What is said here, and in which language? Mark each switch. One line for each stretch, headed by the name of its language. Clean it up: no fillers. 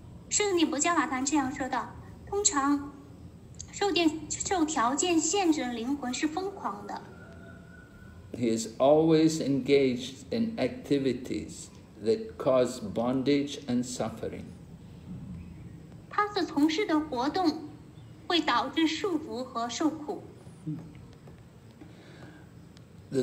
Chinese: 圣女伯加瓦坛这样说道，通常受条件限制的灵魂是疯狂的。
English: He is always engaged in activities that cause bondage and suffering.
Chinese: 他所从事的活动会导致束缚和受苦。The